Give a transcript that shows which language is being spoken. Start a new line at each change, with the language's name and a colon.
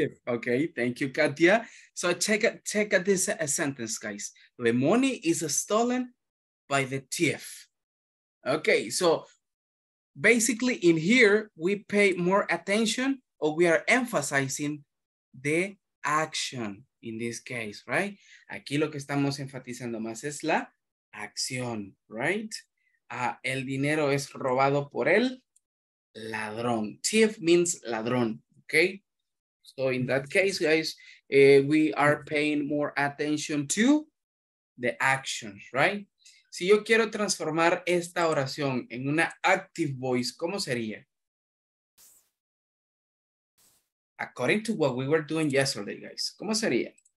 English: Thief. Okay, thank you, Katia. So check out this sentence, guys. The money is stolen by the thief. Okay, so basically in here, we pay more attention, or we are emphasizing the action in this case, right?
Spanish: Aquí lo que estamos enfatizando más es la acción, right? El dinero es robado por el ladrón.
English: Thief means ladrón, okay? So in that case, guys, we are paying more attention to the actions, right?
Spanish: Si yo quiero transformar esta oración en una active voice, ¿cómo sería?
English: According to what we were doing yesterday, guys,
Spanish: ¿cómo sería?